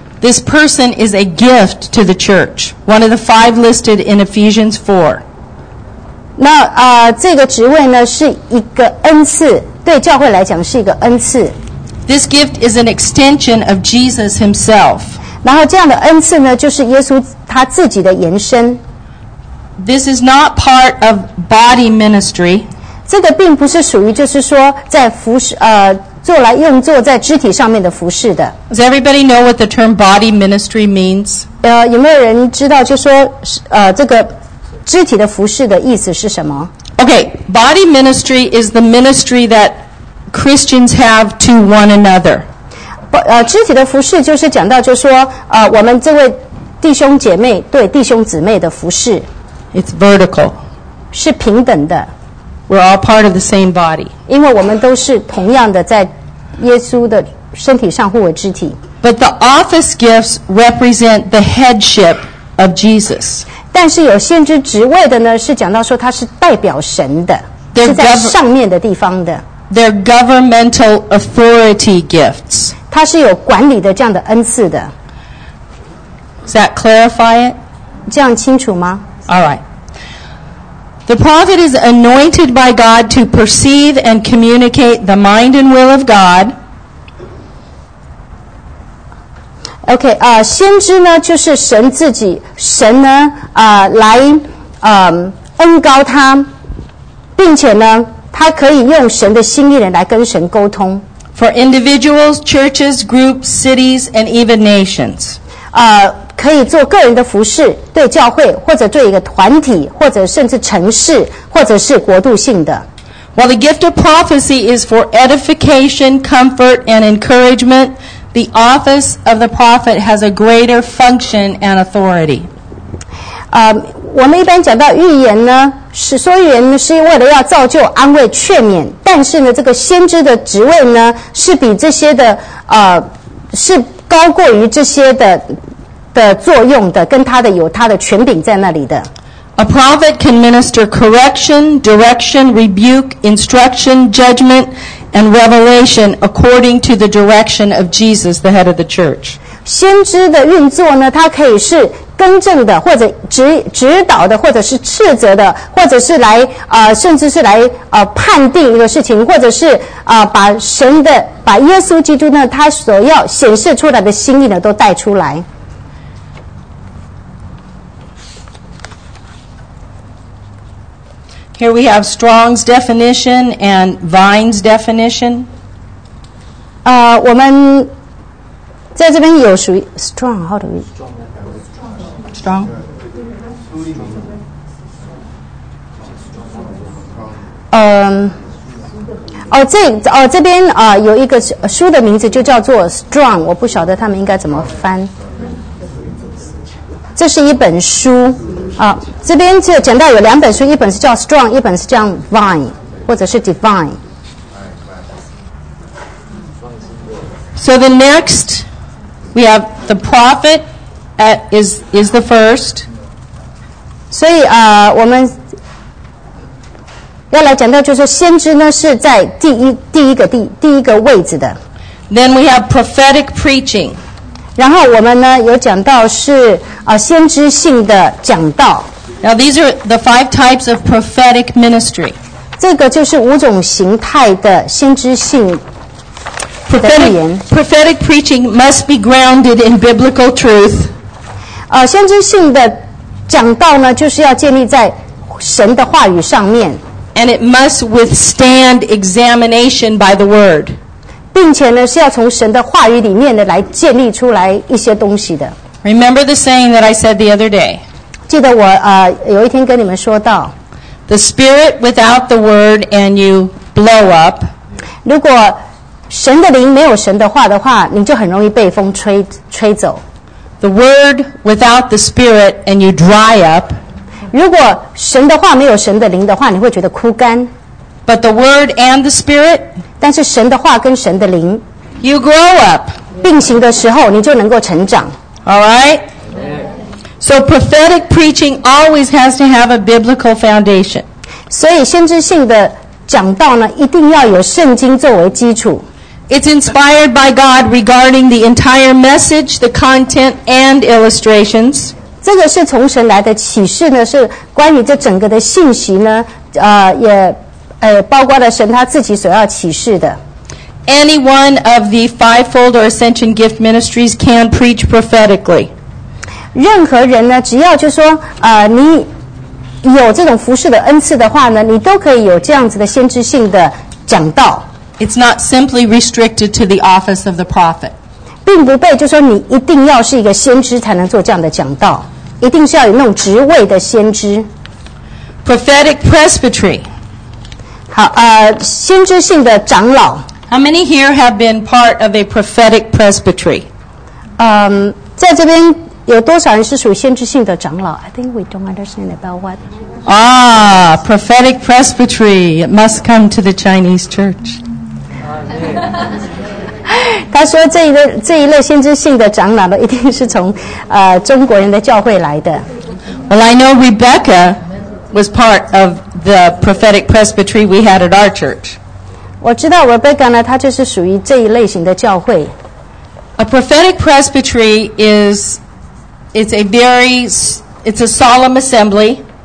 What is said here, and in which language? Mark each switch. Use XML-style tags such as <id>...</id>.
<en>This person is a gift to the church, one of the five listed in Ephesians 4.</en> <zh>那这个职位呢是一个恩赐，对教会来讲是一个恩赐。</zh> <en>This gift is an extension of Jesus himself.</en> <zh>然后这样的恩赐呢就是耶稣他自己的延伸。</zh> <en>This is not part of body ministry.</en> <zh>这个并不是属于就是说在服事做来用作在肢体上面的服事的。</zh> <en>Does everybody know what the term body ministry means?</en> <zh>有没有人知道就说这个肢体的服事的意思是什么？</zh> <en>Okay, body ministry is the ministry that Christians have to one another.</en> <zh>肢体的服事就是讲到就说我们这位弟兄姐妹对弟兄姊妹的服事。</zh> <en>It's vertical.</en> <zh>是平等的。</zh> <en>We're all part of the same body.</en> <zh>因为我们都是同样的在耶稣的身体上互为肢体。</zh> <en>But the office gifts represent the headship of Jesus.</en> <zh>但是有先知职位的呢，是讲到说他是代表神的，是在上面的地方的。</zh> <en>They're governmental authority gifts.</en> <zh>他是有管理的这样的恩赐的。</zh> <en>Does that clarify it?</en> <zh>这样清楚吗？</zh> <en>All right. The prophet is anointed by God to perceive and communicate the mind and will of God.</en> <zh>Okay, 先知呢就是神自己，神呢来恩膏他，并且呢，他可以用神的心意来跟神沟通。</zh> <en>For individuals, churches, groups, cities, and even nations.</en> <zh>可以做个人的服事，对教会，或者对一个团体，或者甚至城市，或者是国度性的。</zh> <en>While the gift of prophecy is for edification, comfort, and encouragement, the office of the prophet has a greater function and authority.</en> <zh>我们一般讲到预言呢，是说预言是为了要造就、安慰、劝勉。但是呢，这个先知的职位呢，是比这些的是高过于这些的作用的，跟他的有他的权柄在那里的。</zh> <en>A prophet can minister correction, direction, rebuke, instruction, judgment, and revelation according to the direction of Jesus, the head of the church.</en> <zh>先知的运作呢，它可以是更正的，或者指导的，或者是斥责的，或者是来甚至是来判定一个事情，或者是把神的把耶稣基督呢，他所要显示出来的心意呢，都带出来。</zh> <en>Here we have Strong's definition and Vine's definition.</en> <zh>我们在这边有属于 Strong,</zh> <en>how do we? Strong. Strong.</en> <zh>这边有一个书的名字就叫做 Strong, 我不晓得他们应该怎么翻。这是一本书这边就讲到有两本书，一本是叫 Strong， 一本是叫 Vine 或者是 Divine。</zh> <en>So the next we have the prophet is the first。</en> <zh>所以我们要来讲到就是先知呢是在第一个位置的。</zh> <en>Then we have prophetic preaching。</en> <zh>然后我们呢有讲到是先知性的讲道。</zh> <en>Now these are the five types of prophetic ministry.</en> <zh>这个就是五种形态的先知性的预言。</zh> <en>Prophetic preaching must be grounded in biblical truth.</en> <zh>先知性的讲道呢就是要建立在神的话语上面。</zh> <en>And it must withstand examination by the word.</en> <zh>并且呢，是要从神的话语里面呢来建立出来一些东西的。</zh> <en>Remember the saying that I said the other day.</en> <zh>记得我有一天跟你们说到</zh> <en>，The spirit without the word and you blow up.</en> <zh>如果神的灵没有神的话的话，你就很容易被风吹走。</zh> <en>The word without the spirit and you dry up.</en> <zh>如果神的话没有神的灵的话，你会觉得枯干。</zh> <en>But the word and the spirit.</en> <zh>但是神的话跟神的灵</zh> <en>，You grow up，</en> <zh>并行的时候，你就能够成长。</zh> <en>All right. So prophetic preaching always has to have a biblical foundation.</en> <zh>所以先知性的讲道呢，一定要有圣经作为基础。</zh> <en>It's inspired by God regarding the entire message, the content, and illustrations.</en> <zh>这个是从神来的启示呢，是关于这整个的信息呢，也。包括了神他自己所要启示的。</zh> <en>Any one of the fivefold or ascension gift ministries can preach prophetically.</en> <zh>任何人呢，只要就说你有这种服事的恩赐的话呢，你都可以有这样子的先知性的讲道。</zh> <en>It's not simply restricted to the office of the prophet.</en> <zh>并不被就说你一定要是一个先知才能做这样的讲道，一定是要有那种职位的先知。</zh> <en>Prophetic presbytery.</en> <zh>先知性的长老。</zh> <en>How many here have been part of a prophetic presbytery?</en> <zh>在这边有多少人是属于先知性的长老？</zh> <en>I think we don't understand about what. Prophetic presbytery. It must come to the Chinese church.</en> <zh>他说这一类先知性的长老呢，一定是从中国人的教会来的。</zh> <en>Well, I know Rebecca. Was part of the prophetic presbytery we had at our church.</en> <zh>我知道 Rebecca 呢，她就是属于这一类型的教会。</zh> <en>A prophetic presbytery is a solemn assembly.</en>